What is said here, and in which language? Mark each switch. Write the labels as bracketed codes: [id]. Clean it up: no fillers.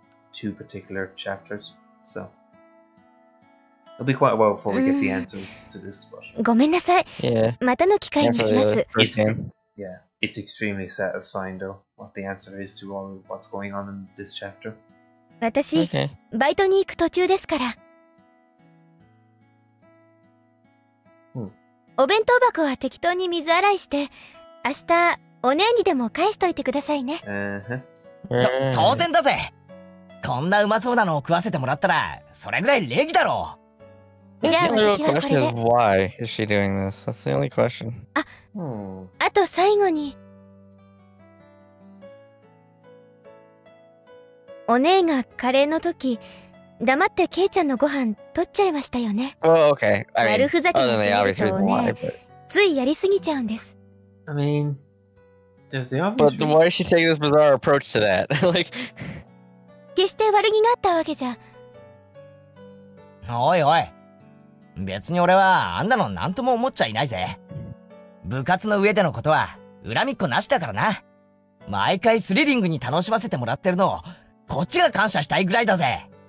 [en] Two particular chapters, so it'll be quite a while before we get the answers to this. [ja] ごめんなさい。 [en] Yeah. [ja] またの機会にします。 [en] It's extremely satisfying, though, what the answer is to all what's going on in this chapter. [ja] 私、バイトに行く途中ですから。お弁当箱は適当に水洗いして、明日お姉にでも返しといてくださいね。当然だぜ。こんなうまそうなのを食わせてもらったら、それぐらい礼儀だろう。じゃあ私はこれで。 [en] Why is she doing this? That's the only question. [ja] あと最後に、お姉がカレーの時、黙ってケイちゃんのご飯取っちゃいましたよね。 [en] Oh, okay. I mean, other than the obvious reason why, but... [ja] ついやりすぎちゃうんです。 [en] I mean, there's the obvious But why is she taking this bizarre approach to that? Like. [ja] 決して悪気があったわけじゃ。おいおい、別に俺はあんなの何とも思っちゃいないぜ。部活の上でのことは恨みっこなしだからな。毎回スリリングに楽しませてもらってるのをこっちが感謝したいぐらいだぜ。